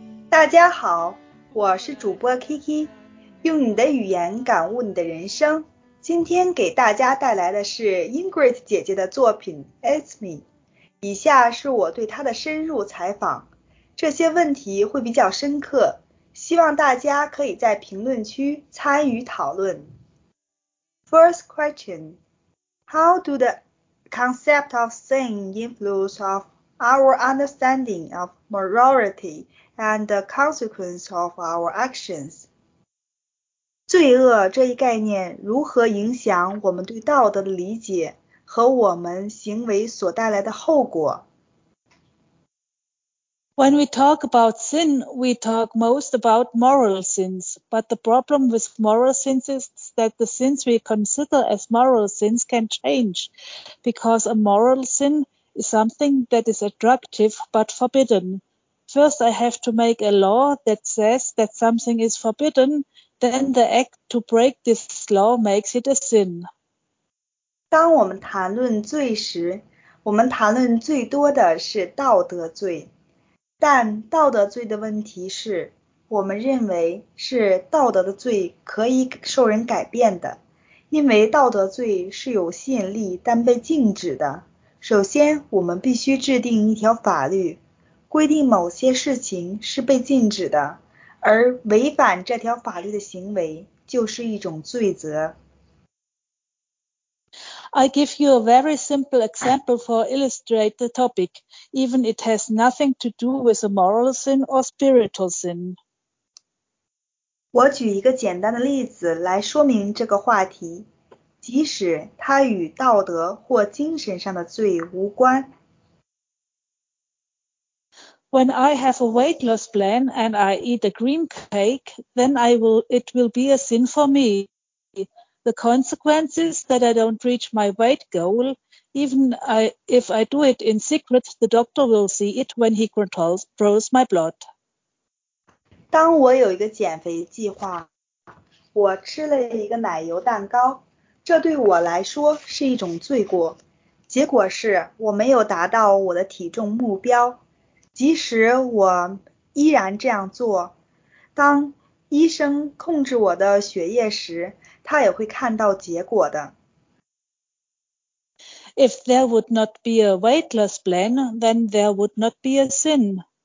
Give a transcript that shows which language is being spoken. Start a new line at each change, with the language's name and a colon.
Chinese: 大家好，我是主播 Kiki， 用你的语言感悟你的人生。今天给大家带来的是 Ingrid 姐姐的作品 Esme， 以下是我对她的深入采访，这些问题会比较深刻，希望大家可以在评论区参与讨论。
English: First question: How do the concept of sin influence of our understanding of morality and the consequence of our actions?
Chinese: 罪恶这一概念如何影响我们对道德的理解和我们行为所带来的后果？
English: When we talk about sin, we talk most about moral sins. But the problem with moral sins is that the sins we consider as moral sins can change, because a moral sin is something that is attractive but forbidden. First, I have to make a law that says that something is forbidden, then the act to break this law makes it a sin.
Chinese: 当我们谈论罪时，我们谈论最多的是道德罪。但道德罪的问题是，我们认为是道德的罪可以受人改变的，因为道德罪是有吸引力但被禁止的。首先，我们必须制定一条法律，规定某些事情是被禁止的，而违反这条法律的行为就是一种罪责。
English: I give you a very simple example for illustrate the topic, even it has nothing to do with a moral sin or spiritual sin.
Chinese: 我举一个简单的例子来说明这个话题，即使它与道德或精神上的罪无关。
English: When I have a weight loss plan and I eat a green cake, then it will be a sin for me. The consequence is that I don't reach my weight goal. Even if I do it in secret, the doctor will see it when he controls my blood.
Chinese: 当我有一个减肥计划，我吃了一个奶油蛋糕，这对我来说是一种罪过。结果是我没有达到我的体重目标。即使我依然这样做，当医生控制我的血液时，他也会看到结果的。
English: If there would not be a weight loss plan, then there would not be a sin.